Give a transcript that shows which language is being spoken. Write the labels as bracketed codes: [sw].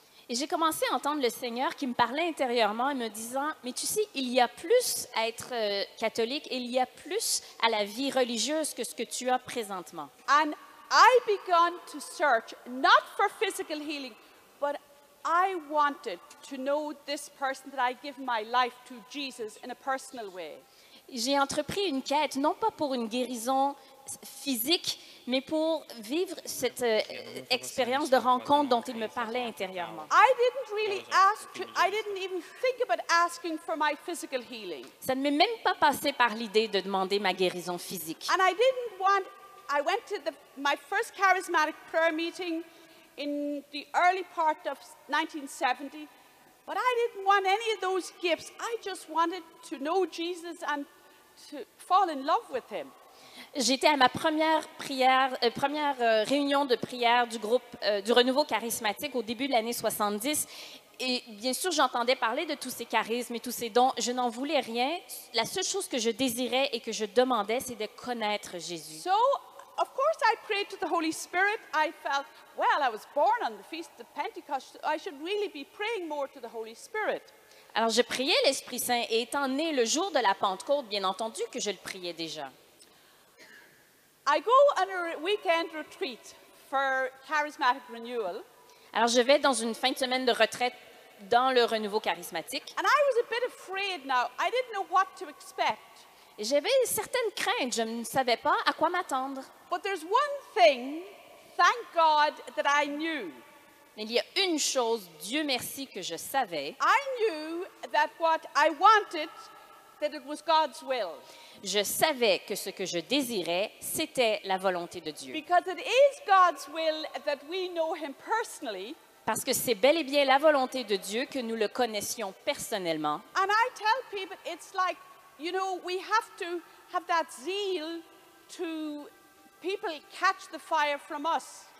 [fr] Et j'ai commencé à entendre le Seigneur qui me parlait intérieurement et me disant, mais tu sais, il y a plus à être catholique, il y a plus à la vie religieuse que ce que tu as présentement. [en] And I began to search, not for physical healing, but I wanted to know this person that I give my life to, Jesus, in a personal way. [fr] J'ai entrepris une quête, non pas pour une guérison physique, mais pour vivre cette expérience de rencontre dont il me parlait intérieurement. Ça ne m'est même pas passé par l'idée de demander ma guérison physique. [en] And I didn't want, I went to my first charismatic prayer meeting in the early part of 1970, but I didn't want any of those gifts. I just wanted to know Jesus and to fall in love with him. [fr] J'étais à ma première réunion de prière du groupe du Renouveau Charismatique au début de l'année 70. Et bien sûr, j'entendais parler de tous ces charismes et tous ces dons. Je n'en voulais rien. La seule chose que je désirais et que je demandais, c'est de connaître Jésus. [en] So, of course, I prayed to the Holy Spirit. I felt, well, I was born on the feast of Pentecost. So I should really be praying more to the Holy Spirit. [fr] Alors, je priais l'Esprit Saint et étant né le jour de la Pentecôte, bien entendu que je le priais déjà. [en] I go on a weekend retreat for charismatic renewal. [fr] Alors je vais dans une fin de semaine de retraite dans le renouveau charismatique. [en] And I was a bit afraid now. I didn't know what to expect. [fr] Et j'avais certaines craintes, je ne savais pas à quoi m'attendre. [en] But there's one thing, thank God, that I knew. [fr] Mais il y a une chose, Dieu merci, que je savais. [en] I knew that what I wanted, that it was God's will. [fr] Je savais que ce que je désirais, c'était la volonté de Dieu. [en] Because it is God's will that we know him personally. [fr] Parce que c'est bel et bien la volonté de Dieu que nous le connaissions personnellement. [en] And I tell people, it's like, you know, we have to have that zeal to people catch the fire from us.